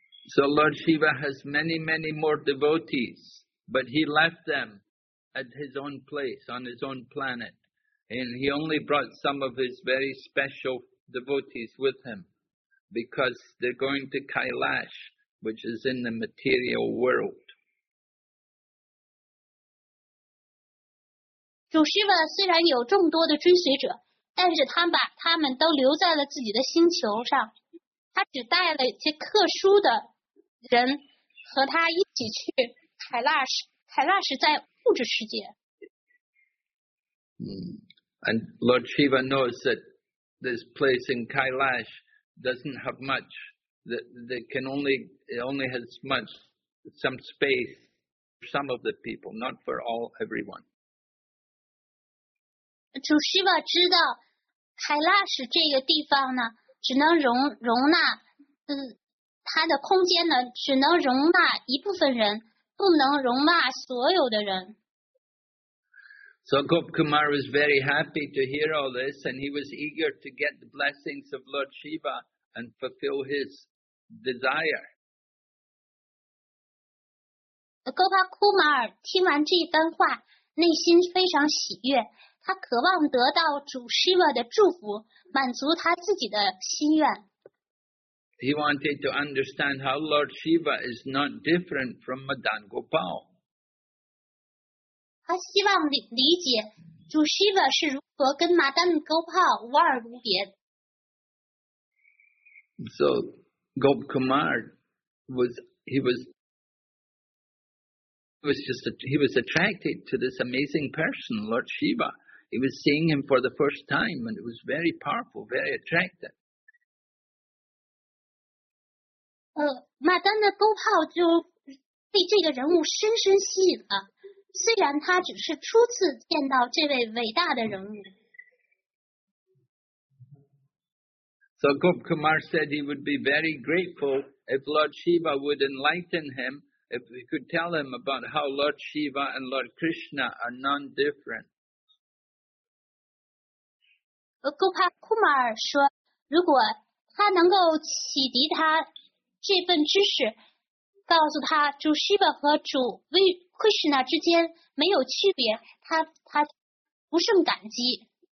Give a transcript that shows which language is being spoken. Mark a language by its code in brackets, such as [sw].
[en] So Lord Shiva has many, many more devotees, but he left them at his own place, on his own planet, and he only brought some of his very special devotees with him, because they're going to Kailash, which is in the material world. [zh] 主 Shiva 虽然有众多的追随者，但是他把他们都留在了自己的星球上，他只带了一些特殊的人和他一起去凯拉什在物质世界。 [en] And Lord Shiva knows that this place in Kailash doesn't have much, that they can only, it only has much, some space for some of the people, not for all, everyone. [zh] 主 Shiva 知道凯拉什这个地方呢，只能容纳它的空间呢，只能容纳一部分人，不能容纳所有的人。 [en] So Gopkumar was very happy to hear all this, and he was eager to get the blessings of Lord Shiva and fulfill his desire. [zh] Gopkumar 听完这番话，内心非常喜悦，他渴望得到主 Shiva 的祝福，满足他自己的心愿。 [en] He wanted to understand how Lord Shiva is not different from Madan Gopal. [zh] 他希望理解主 Shiva 是如何跟 Madan Gopal 无二无别。 [en] So Gopkumar was attracted to this amazing person, Lord Shiva. He was seeing him for the first time, and it was very powerful, very attractive. [zh] 马丹的勾炮就被这个人物深深吸引了，虽然他只是初次见到这位伟大的人物。 [en] So Gopkumar said he would be very grateful if Lord Shiva would enlighten him, if he could tell him about how Lord Shiva and Lord Krishna are non-different. [zh] Gopkumar 说，如果他能够启迪他这份知识，告诉他主 Shiva 和主 Krishna 之间没有区别，他不胜感激。